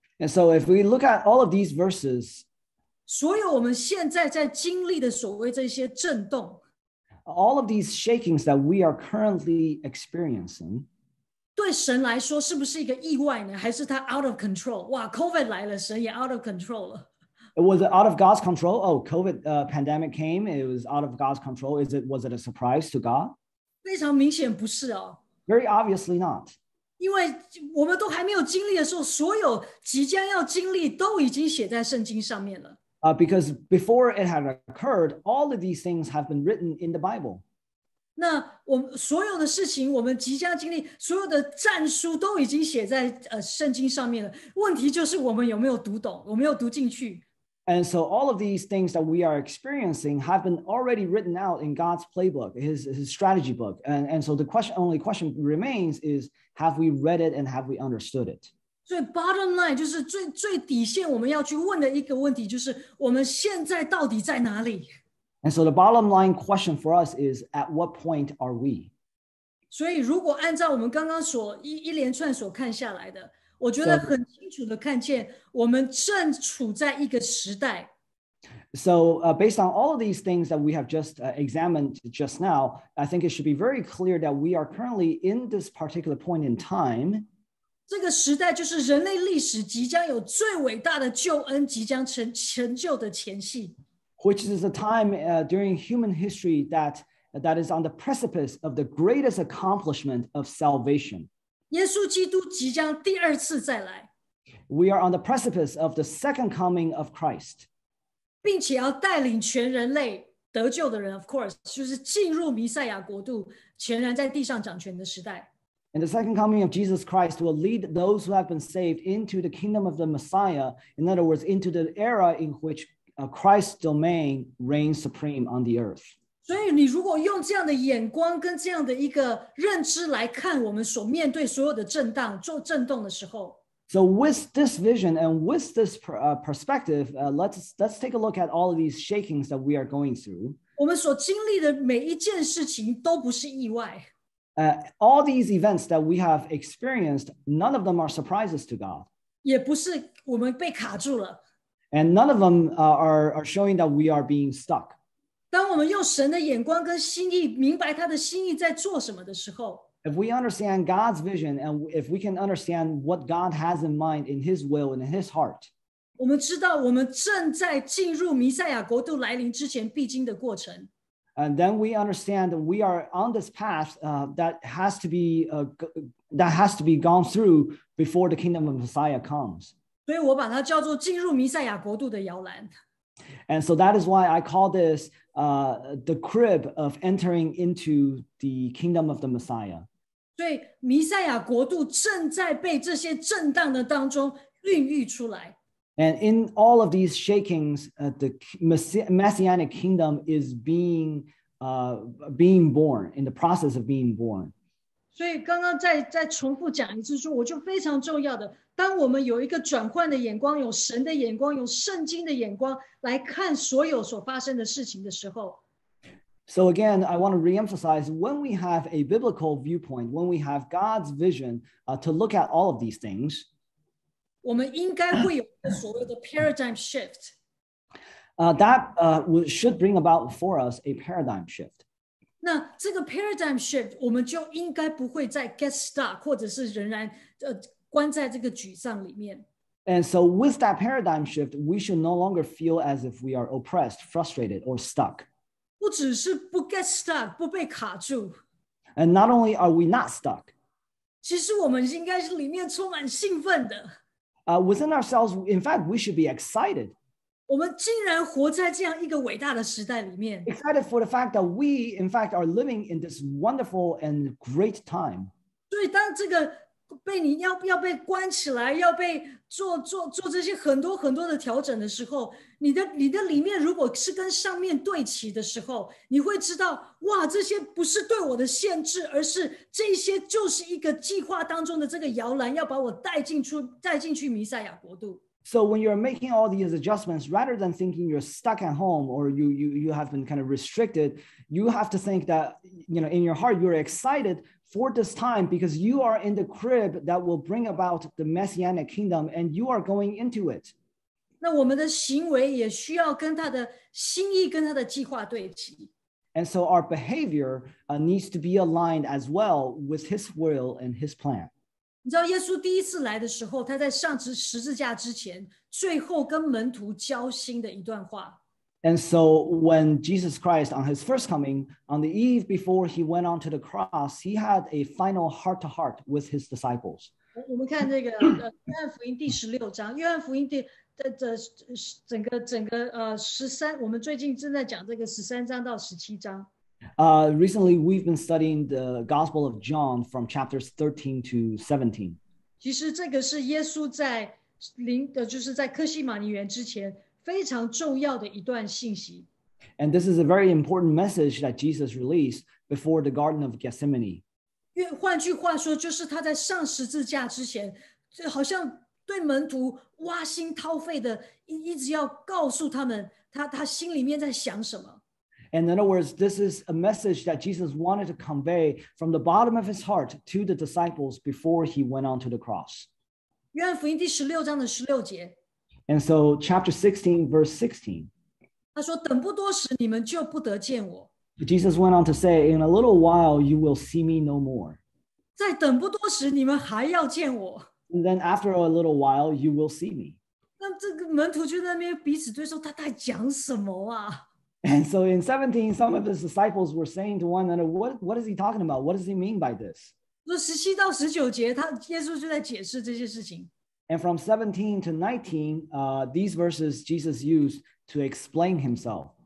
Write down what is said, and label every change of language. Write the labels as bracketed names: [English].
[English] And so if we look at all of these verses, [Chinese] 所有我们现在在经历的所谓这些震动, [English] all of these shakings that we are currently experiencing, [Chinese] 对神来说是不是一个意外呢? 还是他 [English] out of control? [Chinese] 哇, COVID 来了,神也 [English] out of control [Chinese] 了。 [English] Was it out of God's control? Oh, COVID pandemic came, it was out of God's control. Was it a surprise to God? [Chinese] 非常明显不是哦。 [English] Very obviously not. [Chinese] 因为我们都还没有经历的时候，所有即将要经历都已经写在圣经上面了。 [English] Because before it had occurred, all of these things have been written in the Bible. [Chinese] 那我们所有的事情，我们即将经历所有的战书都已经写在圣经上面了。问题就是我们有没有读懂，有没有读进去。 [English] And so all of these things that we are experiencing have been already written out in God's playbook, his strategy book. And so the question, only question remains is, have we read it and have we understood it? [Chinese] 所以 [English] bottom line [Chinese] 就是最底线我们要去问的一个问题就是我们现在到底在哪里? [English] And so the bottom line question for us is, at what point are we? [Chinese] 所以如果按照我们刚刚所一连串所看下来的我觉得很清楚地看见我们正处在一个时代。 [English] So based on all of these things that we have just examined just now, I think it should be very clear that we are currently in this particular point in time. [Chinese] 这个时代就是人类历史即将有最伟大的救恩即将成就的前夕。 [English] Which is a time during human history that is on the precipice of the greatest accomplishment of salvation. [Chinese] 耶稣基督即将第二次再来。 [English] We are on the precipice of the second coming of Christ. [Chinese] 并且要带领全人类得救的人 [English] of course, [Chinese] 就是进入弥赛亚国度全然在地上掌权的时代。 [English] And the second coming of Jesus Christ will lead those who have been saved into the kingdom of the Messiah, in other words, into the era in which Christ's domain reigns supreme on the earth. [Chinese] 所以你如果用这样的眼光跟这样的一个认知来看我们所面对所有的震荡做震动的时候 [English] So with this vision and with this perspective, let's take a look at all of these shakings that we are going through. [Chinese] 我们所经历的每一件事情都不是意外 [English] All these events that we have experienced, none of them are surprises to God. [Chinese] 也不是我们被卡住了 [English] And none of them are showing that we are being stuck. [Chinese] 当我们用神的眼光跟心意明白他的心意在做什么的时候 [English] If we understand God's vision and if we can understand what God has in mind in his will and in his heart [Chinese] 我们知道我们正在进入弥赛亚国度来临之前必经的过程 [English] And then we understand that we are on this path that has to be gone through before the kingdom of Messiah comes [Chinese] 所以我把它叫做进入弥赛亚国度的摇篮 [English] And so that is why I call thisthe crib of entering into the kingdom of the Messiah. [Chinese] 对，弥赛亚国度正在被这些震荡的当中孕育出来。 [English] And in all of these shakings, the messianic kingdom is being born, in the process of being born. [Chinese] 所以刚刚再重复讲一次说，我就非常重要的，当我们有一个转换的眼光，有神的眼光，有圣经的眼光来看所有所发生的事情的时候。 [English] So again, I want to reemphasize, when we have a biblical viewpoint, when we have God's vision, to look at all of these things, [Chinese] 我们应该会有一个所谓的 [English] paradigm shift. That should bring about for us a paradigm shift. [Chinese] 那这个 [English] paradigm shift, [Chinese] 我们就应该不会再 [English] get stuck, [Chinese] 或者是仍然关在这个沮丧里面。 [English] And so with that paradigm shift, we should no longer feel as if we are oppressed, frustrated, or stuck. [Chinese] 不只是不 [English] get stuck, [Chinese] 不被卡住。 [English] And not only are we not stuck. [Chinese] 其实我们应该是里面充满兴奋的。 [English] Within ourselves, in fact, we should be excited. [Chinese] 我们竟然活在这样一个伟大的时代里面。 [English] Excited for the fact that we, in fact, are living in this wonderful and great time. [Chinese] 所以当这个被你 要被关起来要被 做这些很多很多的调整的时候你的里面如果是跟上面对齐的时候你会知道哇这些不是对我的限制而是这些就是一个计划当中的这个摇篮要把我带进去弥赛亚国度 [English] So when you're making all these adjustments rather than thinking you're stuck at home or you have been kind of restricted you have to think that you know in your heart you're excitedfor this time because you are in the crib that will bring about the messianic kingdom and you are going into it. [Chinese] 那我们的行为也需要跟他的心意跟他的计划对齐。 [English] And so our behavior needs to be aligned as well with his will and his plan. [Chinese] 你知道耶稣第一次来的时候他在上十字架之前最后跟门徒交心的一段话。 [English] And so when Jesus Christ, on his first coming, on the eve before he went onto the cross, he had a final heart-to-heart with his disciples. [Chinese] 我们看这个约翰福音第十六章，约翰福音第整个十三，我们最近正在讲这个十三章到十七章。 [English] Recently, we've been studying the Gospel of John from chapters 13 to 17. [Chinese] 其实这个是耶稣在就是在科西马尼园之前非常重要的一段信息。 [English] And this is a very important message that Jesus released before the Garden of Gethsemane. [Chinese] 换句话说，就是他在上十字架之前，就好像对门徒挖心掏肺的，一直要告诉他们他心里面在想什么。 [English] And in other words, this is a message that Jesus wanted to convey from the bottom of his heart to the disciples before he went on to the cross. [Chinese] 约翰福音第十六章的十六节。 [English] And so chapter 16, verse 16. [Chinese] 他说，等不多时，你们就不得见我。 [English] Jesus went on to say, in a little while, you will see me no more. [Chinese] 在等不多时，你们还要见我。 [English] And then after a little while, you will see me. [Chinese] 那这个门徒就在那边彼此对说，他在讲什么啊？ [English] And so in 17, some of his disciples were saying to one another, what is he talking about? What does he mean by this? [Chinese] 17到19节，他耶稣就在解释这些事情。 [English] And from 17 to 19, these verses Jesus used to explain himself.